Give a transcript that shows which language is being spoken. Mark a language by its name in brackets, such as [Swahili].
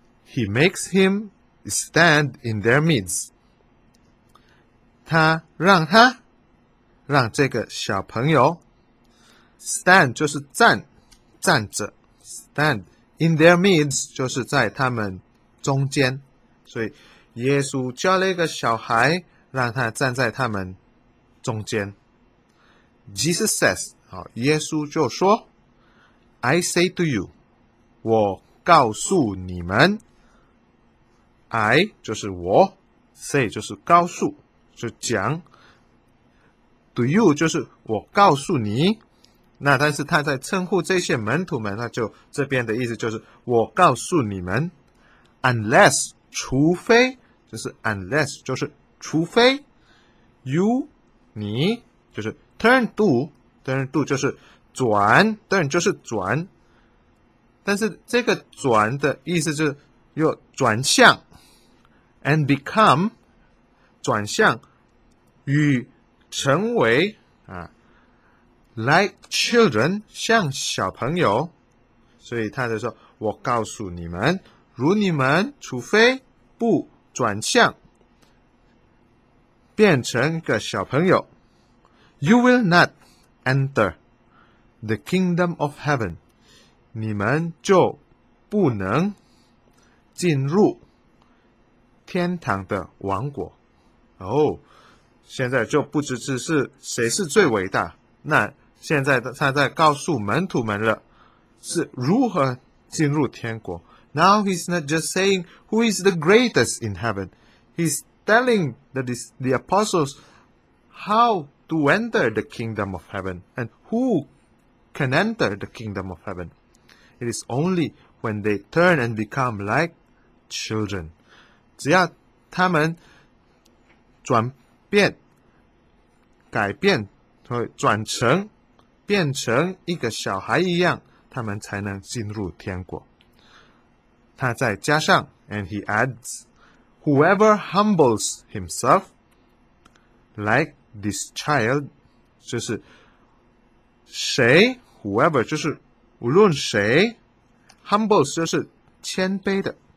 [English] he makes him stand in their midst [Chinese] 他让他让这个小朋友 stand 就是站站着 [English] standIn their midst, [Chinese] 就是在他们中间。所以耶稣叫了一个小孩让他站在他们中间。 [English] Jesus says, [Chinese] 耶稣就说 [English] I say to you, [Chinese] 我告诉你们 I 就是我 say 就是告诉就讲 to you 就是我告诉你那但是他在称呼这些门徒们那就这边的意思就是我告诉你们 unless 除非就是 unless 就是除非 you 你就是 [English] turn to [Chinese] 就是转 turn 就是转但是这个转的意思就是又转向 [English] and become [Chinese] 转向与成为 [English] Like children, [Chinese] 像小朋友。所以他就说，我告诉你们，如你们除非不转向，变成一个小朋友， [English] You will not enter the kingdom of heaven. [Chinese] 你们就不能进入天堂的王国。哦，现在就不只只是谁是最伟大，那现在他在告诉门徒们了，是如何进入天国。 [English] Now he's not just saying who is the greatest in heaven. He's telling the apostles how to enter the kingdom of heaven and who can enter the kingdom of heaven. It is only when they turn and become like children. [Chinese] 只要他们转变、改变、转成、变成一个小孩一样，他们才能进入天国。他再加上 [English] and he adds, whoever humbles himself like this child, [Chinese] 就是谁 whoever 就是无论谁 humbles 就是谦卑的，